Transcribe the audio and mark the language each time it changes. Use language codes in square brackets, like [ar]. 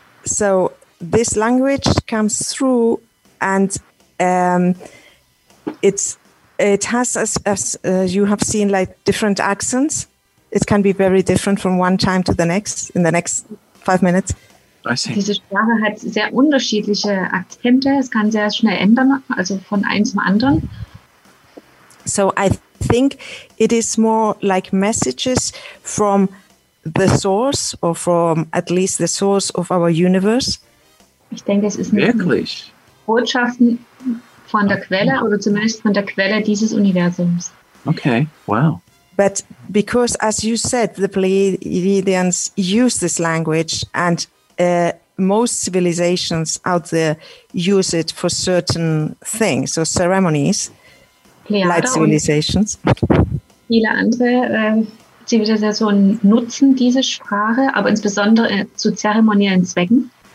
[en] So this language comes through, and it has, as you have seen, like different accents. It can be very different from one time to the next, in the next 5 minutes. I see. [de] Diese Sprache hat sehr unterschiedliche Akzente. Es kann sehr schnell ändern, also von einem zum anderen. [en] So I think it is more like messages from the source, or from at least the source of our universe. [de] Ich denke, es ist wirklich Botschaften von der Quelle, oder zumindest von der Quelle dieses Universums. [en] Okay, wow. But because, as you said, the Pleiadians use this language, and most civilizations out there use it for certain things or ceremonies, Pleiade, like civilizations. [de] Viele andere Zivilisationen nutzen diese Sprache, aber insbesondere zu zeremoniellen Zwecken.